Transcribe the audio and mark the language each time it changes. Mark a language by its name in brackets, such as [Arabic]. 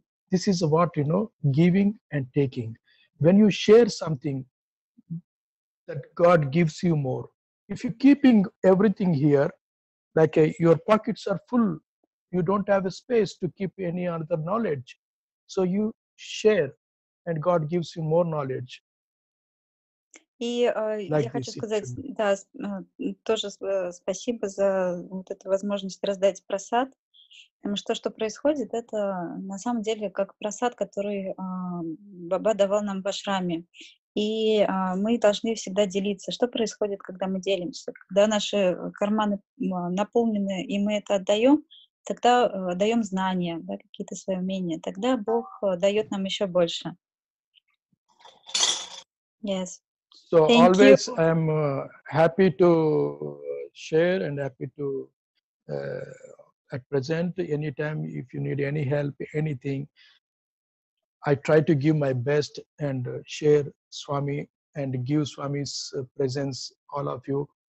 [English] This is what, you know, giving and taking. When you share something, that God gives you more. If you're keeping everything here, like your pockets are full, you don't have a space to keep any other knowledge. So you share and God gives you more knowledge. [Russian] И [English] like [Russian] я хочу сказать, да, тоже спасибо за вот эту возможность раздать просад. Потому что то, что происходит, это на самом деле как просад, который Баба давал нам в ашраме. И мы должны всегда делиться. Что происходит, когда мы делимся? Когда наши карманы наполнены, и мы это отдаем, тогда даем знания, да, какие-то свои умения. Тогда Бог дает нам еще больше. [English] Yes. So thank always you. I'm happy to share and happy to at present anytime if you need any help, anything, I try to give my best and share Swami and give Swami's presence all of you.